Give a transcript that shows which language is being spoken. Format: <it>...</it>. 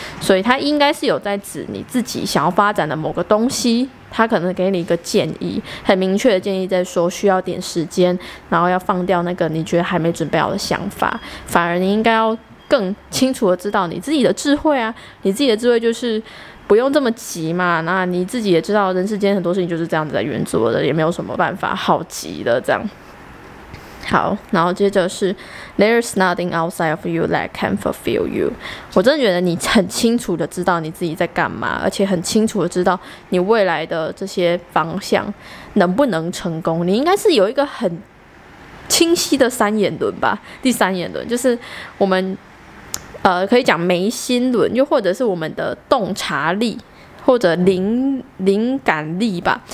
<zh>所以他应该是有在指你自己想要发展的某个东西，他可能给你一个建议，很明确的建议在说需要点时间，然后要放掉那个你觉得还没准备好的想法。反而你应该要更清楚的知道你自己的智慧啊，你自己的智慧就是不用这么急嘛。那你自己也知道人世间很多事情就是这样子在运作的，也没有什么办法好急的这样。</zh> <en>好，然后接着是 There is nothing outside of you that can fulfill you。</en> <zh>我真的觉得你很清楚的知道你自己在干嘛，而且很清楚的知道你未来的这些方向能不能成功。你应该是有一个很清晰的三眼轮吧，第三眼轮就是我们可以讲眉心轮，又或者是我们的洞察力或者灵感力吧。</zh>